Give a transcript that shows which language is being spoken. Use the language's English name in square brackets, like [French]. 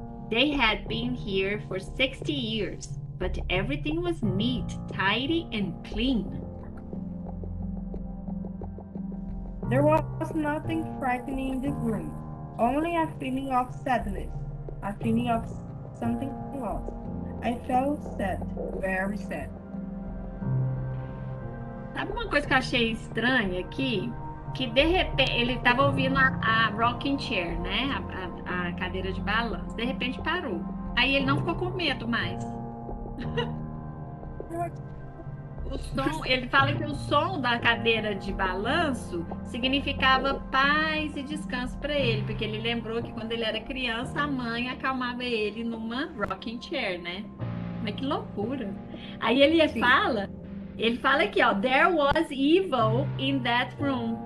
[English] They had been here for 60 years, but everything was neat, tidy, and clean. There was nothing frightening in this room, only a feeling of sadness, a feeling of something lost. I felt sad, very sad. [Portuguese] Sabe uma coisa que eu achei estranha aqui? Que de repente ele estava ouvindo a rocking chair, né? A cadeira de balanço. De repente parou. Aí ele não ficou com medo mais. O som, ele fala que o som da cadeira de balanço significava paz e descanso para ele, porque ele lembrou que quando ele era criança, a mãe acalmava ele numa rocking chair, né? Mas que loucura! Aí ele fala aqui, ó, [English] there was evil in that room.